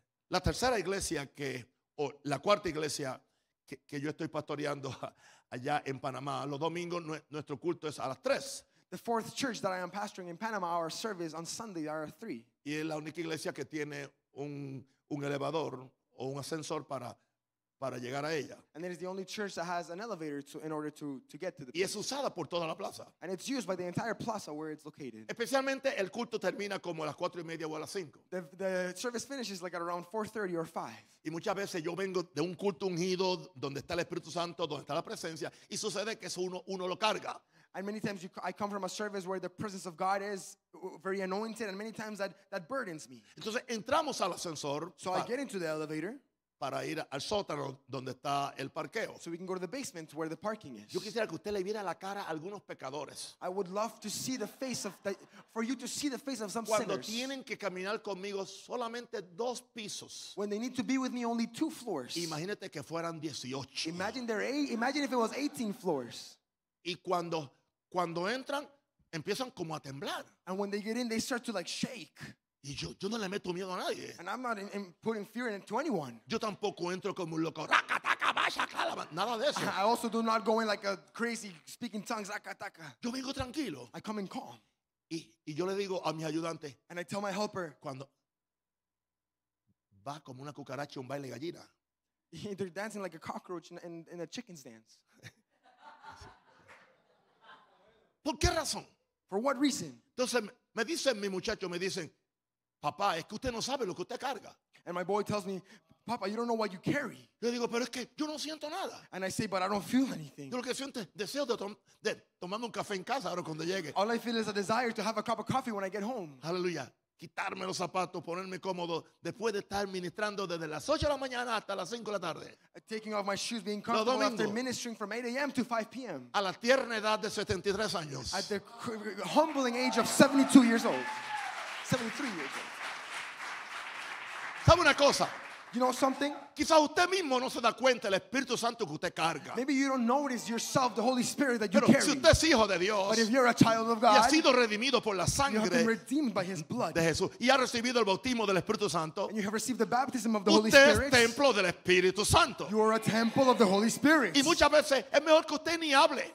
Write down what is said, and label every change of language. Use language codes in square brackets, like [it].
[es] La tercera iglesia que, o la cuarta iglesia que yo estoy pastoreando allá en Panamá, los domingos nuestro culto es a las 3. [en] The fourth church that I am pastoring in Panama, our service on Sunday are at 3. [es] Y es la única iglesia que tiene un elevador o un ascensor para llegar a ella. [en] And it is the only church that has an elevator in order to get to the [es] place. Y es usada por toda la plaza. [en] And it's used by the entire plaza where it's located. [es] Especialmente el culto termina como a las 4:30 o a las 5. [en] The service finishes like at around 4:30 or 5. [es] Y muchas veces yo vengo de un culto ungido donde está el Espíritu Santo, donde está la presencia, y sucede que eso uno lo carga. [en] And many times I come from a service where the presence of God is very anointed, and many times that burdens me. [es] Entonces entramos al ascensor. [en] So I get into the elevator. [es] Para ir al sótano donde está el parqueo. [en] So we can go to the basement where the parking is. [es] Yo quisiera que usted le viera la cara a algunos pecadores. [en] I would love to see the face of for you to see the face of some [es] cuando [en] sinners. [es] Cuando tienen que caminar conmigo solamente dos pisos. [en] When they need to be with me only two floors. [es] Imagínate que fueran 18. [en] Imagine if it was 18 floors. [es] Y cuando entran, empiezan como a temblar. [en] And when they get in, they start to like shake. [es] Y yo no le meto miedo a nadie. [en] And I'm not in putting fear into anyone. [es] Yo tampoco entro como un loco. Raca, taca, vaya, calama, nada de eso. [en] I also do not go in like a crazy speaking tongues. Raca, taca. [es] Yo vengo tranquilo. [en] I come in calm. [es] Y yo le digo a mis ayudantes. [en] And I tell my helper. [es] Cuando va como una cucaracha un baile gallina. [en] They're dancing like a cockroach in a chicken's dance. [es] ¿Por qué razón? [en] For what reason? [es] Entonces me dicen mis muchachos, me dicen. Papá, es que usted no sabe lo que usted carga. [en] And my boy tells me, Papa, you don't know what you carry. [es] Yo digo, pero es que yo no siento nada. [en] And I say, but I don't feel anything. [es] Yo lo que siento es deseo de tomarme un café en casa ahora cuando llegue. [en] All I feel is a desire to have a cup of coffee when I get home. [es] Aleluya. Quitarme los zapatos, ponerme cómodo después de estar ministrando desde las 8 de la mañana hasta las 5 de la tarde. [en] Taking off my shoes, being comfortable after ministering from 8 a.m. to 5 p.m. [es] A la tierna edad de 73 años. [en] At the humbling age of 72 years old. 73 years old. [es] ¿Sabe una cosa? [en] You know something? [es] Quizás usted mismo no se da cuenta el Espíritu Santo que usted carga. [en] Maybe you don't notice yourself the Holy Spirit that you [es] pero [en] carry. [es] Si usted es hijo de Dios, [en] but if you're a child of God, [es] y ha sido redimido por la sangre, [en] you have been redeemed by His blood, [es] de Jesús, y ha recibido el bautismo del Espíritu Santo, [en] and you have received the baptism of the Holy Spirit, [es] usted es templo del Espíritu Santo. [en] You are a temple of the Holy Spirit. [es] Y muchas veces es mejor que usted ni hable.